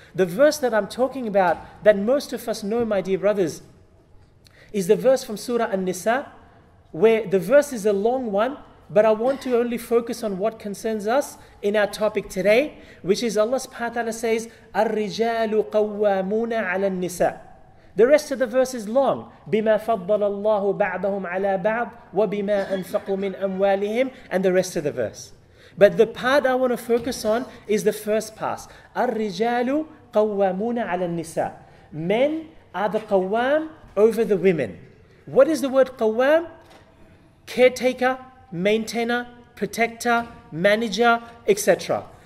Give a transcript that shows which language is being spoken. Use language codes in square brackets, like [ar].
[en] The verse that I'm talking about, that most of us know, my dear brothers, is the verse from Surah An-Nisa, where the verse is a long one, but I want to only focus on what concerns us in our topic today, which is Allah subhanahu wa ta'ala says, [ar] الرِّجَالُ قَوَّامُونَ عَلَى النِّسَاءِ. [en] The rest of the verse is long. [ar] بِمَا فَضَّلَ اللَّهُ بَعْضَهُمْ عَلَى بَعْضٍ وَبِمَا أَنْفَقُوا مِنْ أَمْوَالِهِمْ, [en] and the rest of the verse. But the part I want to focus on is the first pass. [ar] الرِّجَالُ قَوَّامُونَ عَلَى النِّسَاءِ. [en] Men are the qawwam over the women. What is the word qawwam? Caretaker, maintainer, protector, manager, etc.